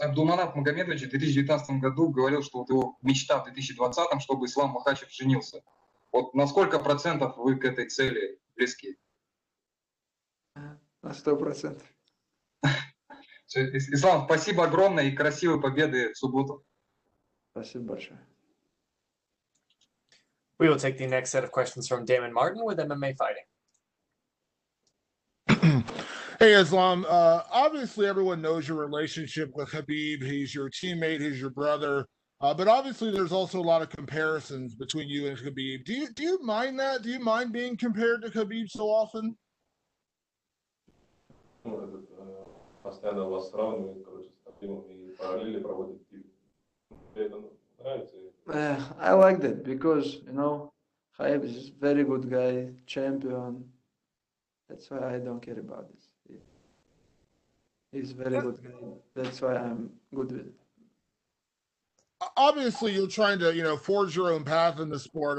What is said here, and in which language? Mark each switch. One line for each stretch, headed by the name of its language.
Russian: Абдулманап Магомедович в 2019 году говорил, что вот его мечта в 2020, чтобы Ислам Махачев женился. Вот на сколько процентов вы к этой цели близки? На 100%. Ислам, спасибо огромное и красивой победы в субботу. Спасибо большое.
English: We will take the next set of questions from Damon Martin with MMA Fighting. Hey, Islam. Obviously, everyone knows your relationship with Khabib. He's your teammate. He's your brother. But obviously, there's also a lot of comparisons between you and Khabib. Do you mind that? Do you mind being compared to Khabib so often?
Russian: Постоянно вас сравнивают, короче, с Хабибом и параллели проводят. Тебе это нравится?
English: I like that because, you know, Khabib is very good guy, champion. That's why I don't care about this. He's very good guy. That's why I'm good with it. Obviously, you're trying to, you know, forge your own path in the sport.